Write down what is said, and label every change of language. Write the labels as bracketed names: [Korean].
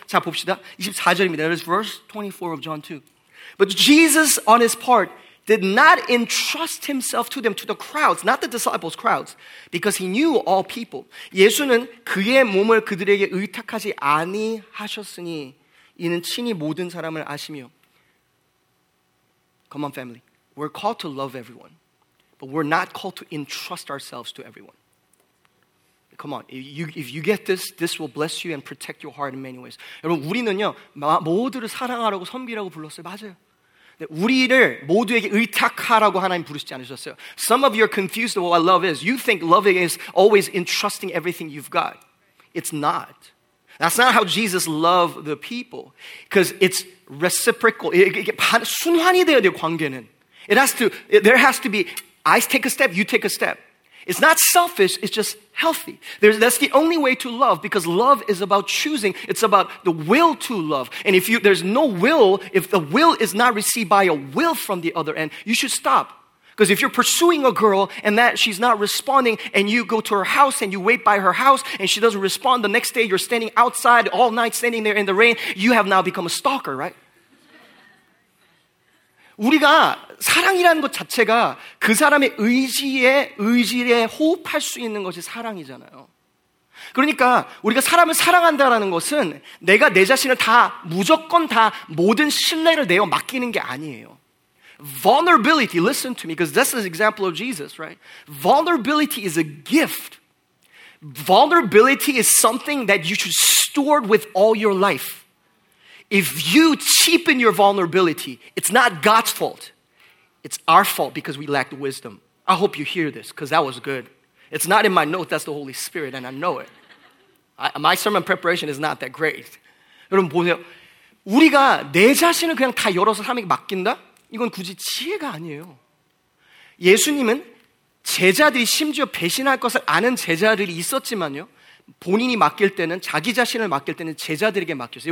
[Korean] 자, 봅시다. 24절입니다. [English] That is verse 24 of John 2. But Jesus, on his part, did not entrust himself to them, to the crowds, not the disciples, crowds, because he knew all people. [Korean] 예수는 그의 몸을 그들에게 의탁하지 아니하셨으니, 이는 친히 모든 사람을 아시며. [English] Come on, family. We're called to love everyone, but we're not called to entrust ourselves to everyone. Come on. If you get this, this will bless you and protect your heart in many ways. [Korean] 여러분, 우리는요, 모두를 사랑하라고 선비라고 불렀어요. 맞아요. 우리를 모두에게 의탁하라고 하나님 부르시지 않으셨어요. [English] Some of you are confused about what love is. You think loving is always entrusting everything you've got. It's not. That's not how Jesus loved the people. Because it's reciprocal. [Korean] 순환이 되어야 돼요, 관계는. [English] There has to be, I take a step, you take a step. It's not selfish, it's just healthy. That's the only way to love, because love is about choosing. It's about the will to love. And if the will is not received by a will from the other end, you should stop. Because if you're pursuing a girl and that she's not responding, and you go to her house and you wait by her house and she doesn't respond, the next day you're standing outside all night standing there in the rain, you have now become a stalker, right? [Korean] 우리가 사랑이라는 것 자체가 그 사람의 의지에 호흡할 수 있는 것이 사랑이잖아요. 그러니까 우리가 사람을 사랑한다라는 것은 내가 내 자신을 다 무조건 다 모든 신뢰를 내어 맡기는 게 아니에요. [English] Vulnerability, listen to me, because this is an example of Jesus, right? Vulnerability is a gift. Vulnerability is something that you should store with all your life. If you cheapen your vulnerability, it's not God's fault. It's our fault because we lacked wisdom. I hope you hear this, because that was good. It's not in my notes, that's the Holy Spirit, and I know it. My sermon preparation is not that great. [Korean] 여러분, 보세요. 우리가 내 자신을 그냥 다 열어서 사람에게 맡긴다? 이건 굳이 지혜가 아니에요. 예수님은 제자들이 심지어 배신할 것을 아는 제자들이 있었지만요, 본인이 맡길 때는, 자기 자신을 맡길 때는 제자들에게 맡겼어요.